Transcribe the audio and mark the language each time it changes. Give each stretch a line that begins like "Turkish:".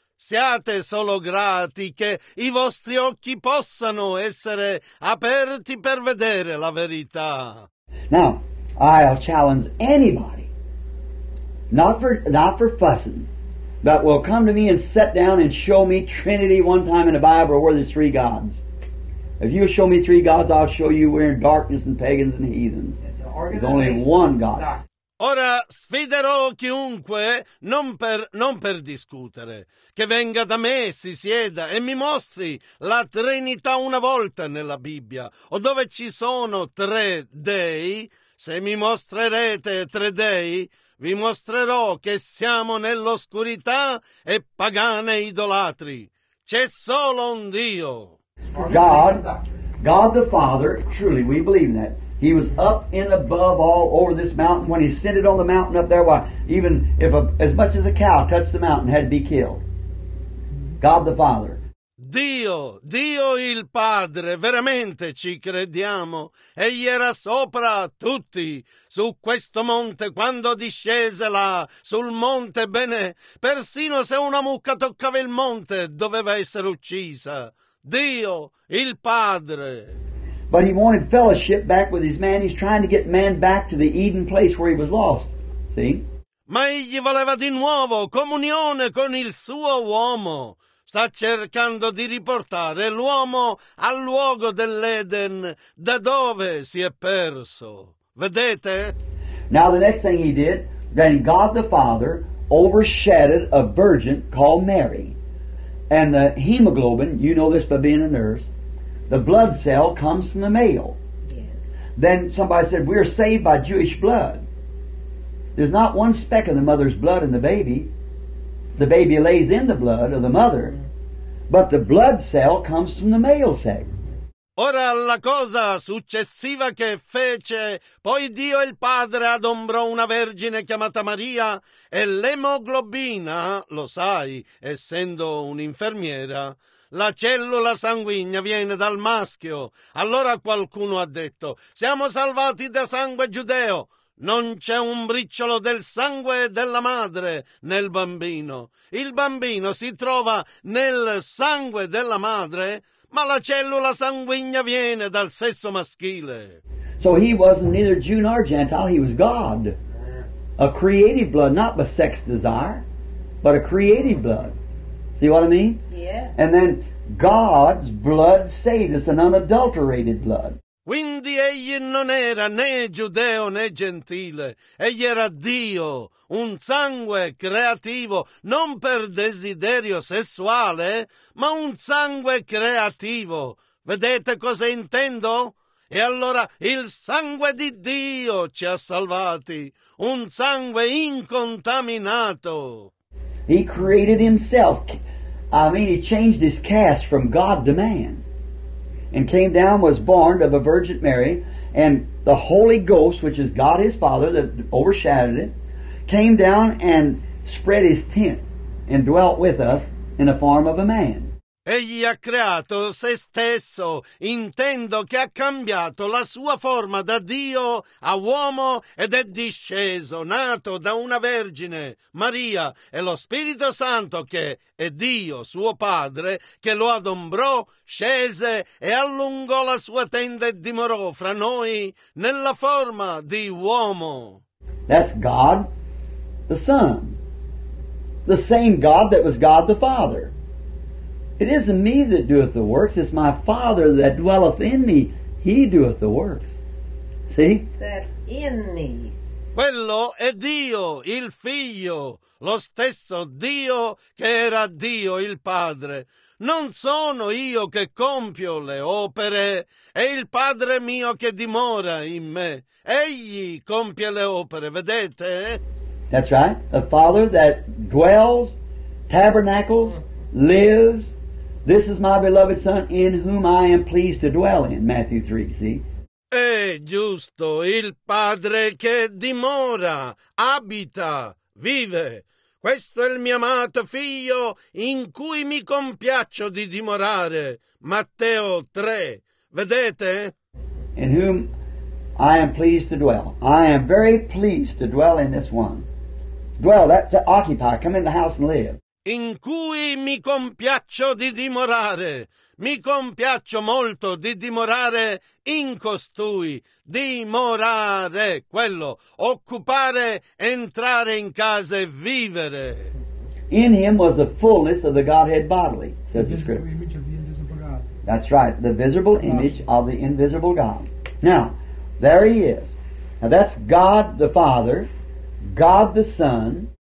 Italian: Siate solo grati che i vostri occhi possano essere aperti per vedere la verità.
English: Now, I'll challenge anybody, not for fussing, but will come to me and sit down and show me Trinity one time in the Bible where there's three gods. If you show me three gods, I'll show you we're in darkness and pagans and heathens. There's only one God.
Italian: Ora sfiderò chiunque, non per discutere, che venga da me, si sieda e mi mostri la Trinità una volta nella Bibbia, o dove ci sono tre dei. Se mi mostrerete tre dei, vi mostrerò che siamo nell'oscurità e pagane idolatri. C'è solo un Dio.
English: God the Father, truly we believe in that. He was up in above all over this mountain when he sent it on the mountain up there. Why, even if as much as a cow touched the mountain, had to be killed. God the Father.
Italian: Dio il Padre, veramente ci crediamo. Egli era sopra tutti, su questo monte, quando discese là, sul monte, bene, persino se una mucca toccava il monte, doveva essere uccisa. Dio il Padre.
English: But he wanted fellowship back with his man. He's trying to get man back to the Eden place where he was lost. See?
Italian: Ma egli voleva di nuovo comunione con il suo uomo. Sta cercando di riportare l'uomo al luogo dell'Eden, da dove si è perso. Vedete?
English: Now the next thing he did, then God the Father overshadowed a virgin called Mary. And the hemoglobin, you know this by being a nurse, the blood cell comes from the male. Yes. Then somebody said, we are saved by Jewish blood. There's not one speck of the mother's blood in the baby. The baby lays in the blood of the mother, but the blood cell comes from the male cell.
Italian: Ora la cosa successiva che fece, poi Dio il Padre adombrò una vergine chiamata Maria, e l'emoglobina, lo sai, essendo un'infermiera, la cellula sanguigna viene dal maschio. Allora qualcuno ha detto, siamo salvati da sangue giudeo. Non c'è un briciolo del sangue della madre nel bambino. Il bambino si trova nel sangue della madre, ma la cellula sanguigna viene dal sesso maschile.
English: So he wasn't neither Jew nor Gentile, he was God. A creative blood, not by sex desire, but a creative blood. See what I mean? Yeah. And then God's blood saved us, an unadulterated blood.
Italian: Quindi egli non era né giudeo né gentile, egli era Dio, un sangue creativo, non per desiderio sessuale, ma un sangue creativo. Vedete cosa intendo? E allora il sangue di Dio ci ha salvati, un sangue incontaminato.
English: He created himself. I mean, he changed his caste from God to man. And came down, was born of a Virgin Mary, and the Holy Ghost, which is God his Father, that overshadowed it, came down and spread his tent and dwelt with us in the form of a man.
Italian: Egli ha creato se stesso, intendo che ha cambiato la sua forma da Dio a uomo ed è disceso, nato da una vergine, Maria, e lo Spirito Santo, che è Dio, suo Padre, che lo adombrò, scese e allungò la sua tenda e dimorò fra noi nella forma di uomo.
English: That's God the Son, the same God that was God the Father. It isn't me that doeth the works, it's my Father that dwelleth in me. He doeth the works. See? That in me.
Italian: Quello è Dio, il Figlio, lo stesso Dio che era Dio, il Padre. Non sono io che compio le opere, è il Padre mio che dimora in me. Egli compie le opere, vedete?
English: That's right. A Father that dwells, tabernacles, lives. This is my beloved Son, in whom I am pleased to dwell in, Matthew 3, see?
Italian: È giusto, il Padre che dimora, abita, vive. Questo è il mio amato Figlio, in cui mi compiaccio di dimorare, Matteo 3, vedete?
English: In whom I am pleased to dwell. I am very pleased to dwell in this one. Dwell, that's to occupy, come in the house and live.
Italian: In cui mi compiaccio di dimorare, mi compiaccio molto di dimorare in costui, dimorare, quello, occupare, entrare in casa e vivere.
English: In him was the fullness of the Godhead bodily, says the scripture. The image of the invisible God. That's right, the visible image of the invisible God. Now, there he is. Now that's God the Father, God the Son.